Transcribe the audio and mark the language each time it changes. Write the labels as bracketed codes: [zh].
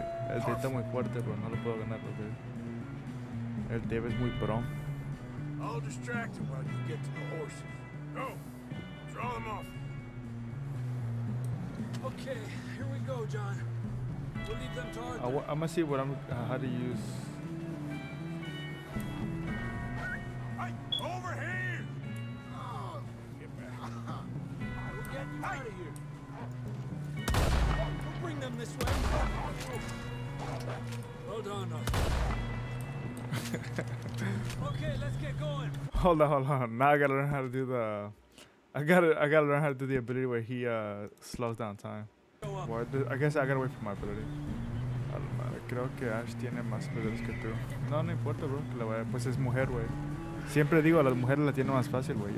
[es] El D está muy fuerte, pero no lo puedo ganar. El D es muy pro. [en] I'll distract him while you get to the horses. Go. Draw them off. Okay, here we go, John. We'll leave them to Arthur. I'm gonna see what I'm. How to use. Hey, over here! Oh, we'll get you out of here. We'll bring them this way. Well done, Arthur. Okay, let's get going. Hold on, hold on. Now I gotta learn how to do the. I gotta learn how to do the ability where he slows down time. Well, I guess I gotta wait for my ability. [es] Creo que Ash tiene más poderes que tú. No, no importa, bro. Que la wey, pues es mujer, wey. Siempre digo, las mujeres la tienen más fácil, wey.